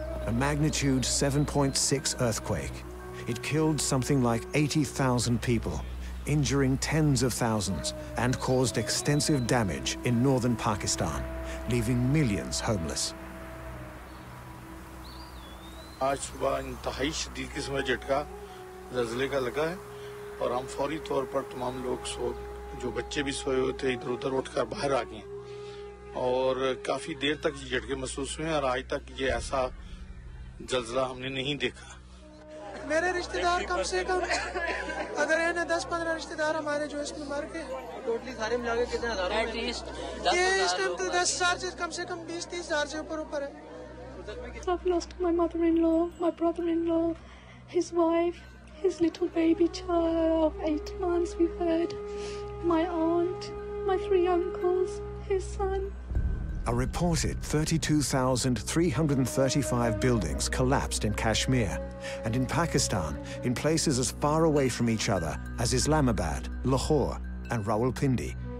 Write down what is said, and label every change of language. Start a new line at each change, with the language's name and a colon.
English: Magnitude 7.6 earthquake. It killed something like 80,000 people, injuring tens of thousands, and caused extensive damage in northern Pakistan, leaving millions homeless.
Hindi: आज सुबह इंतहाई शदीद किस्म का झटका जलजले का लगा है और हम फौरी तौर पर तमाम लोग सो जो बच्चे भी सोए हुए थे इधर उधर उठकर बाहर आ गए और काफी देर तक ये झटके महसूस हुए और आज तक ये ऐसा जलजला हमने नहीं देखा मेरे रिश्तेदार कम से कम अगर है ना 10-15 रिश्तेदार हमारे जो इसमें मर गए टोटली सारे मिला के कितने हजारों में एटलीस्ट 10 इस टाइम तो 10 हजार से कम से कम 20-30 हजार से ऊपर ऊपर है
English: I've lost my mother-in-law, my brother-in-law, his wife, his little baby child of 8 months we heard, my aunt, my three uncles, his son. A reported 32,335 buildings collapsed in Kashmir, and in Pakistan, in places as far away from each other as Islamabad, Lahore, and Rawalpindi.